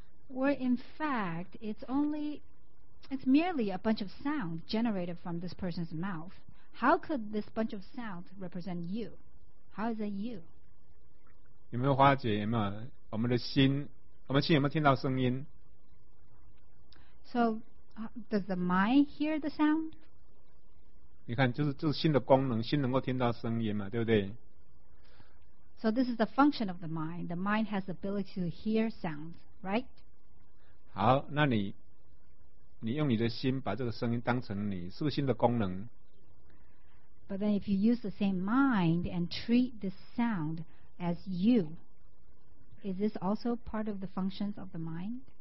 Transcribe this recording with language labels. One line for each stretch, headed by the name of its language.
English: Well, in fact, it's merely a bunch of sound generated from this person's mouth. How could this bunch of sound represent you? How is it you?
Chinese: 有没有化解？有没有我们的心？我们心有没有听到声音？
English: So, does the mind hear the sound?
Chinese: 你看，就是心的功能，心能够听到声音嘛，对不对？
English: So this is the function of the mind. The mind has the ability to hear sounds, right?
Chinese: 好，那你。你用你的心把这个声音当成你，是不是心的功能？
English: But then if you use the same mind and treat the sound as you, is this also part of the functions of the mind?